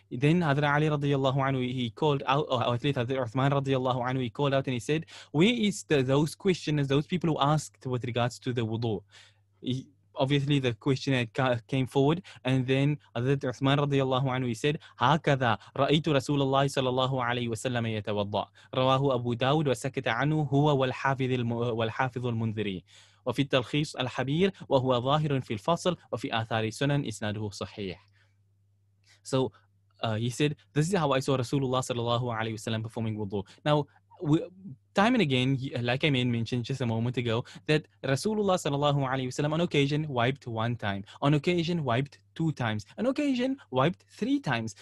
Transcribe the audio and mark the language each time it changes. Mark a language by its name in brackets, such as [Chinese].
[English] Then Hazrat Ali radiyallahu anhu, he called out, or at least Hazrat Uthman radiyallahu anhu, he called out and he said, where is those questioners, those people who asked with regards to the wudu? Obviously, the question came forward, and then Hazrat Uthman radiyallahu anhu, he said, [Arabic] هَكَذَا رَأَيْتُ رَسُولَ اللَّهِ صَلَى اللَّهُ عَلَيْهِ وَسَلَّمَ يَتَوَضَّعُ رَوَاهُ أَبُو دَاوُدُ وَسَكَتَ عَنُهُ هُوَ وَالْحَافِظُ الْمُنذِرِ وَفِي التَّلْخِيصُ الْحَبِيرُ وَهُوَ ظَاهِرٌ فِي الْفَصْلِ وَفِي آثَارِ سُنَنْ إِسْنَادُهُ صَحِيحٌ. [English] So he said, this is how I saw Rasulullah sallallahu alayhi wasallam performing wudu. Now, time and again, like I mentioned just a moment ago, that Rasulullah sallallahu alayhi wasallam on occasion wiped one time, on occasion wiped two times, on occasion wiped three times.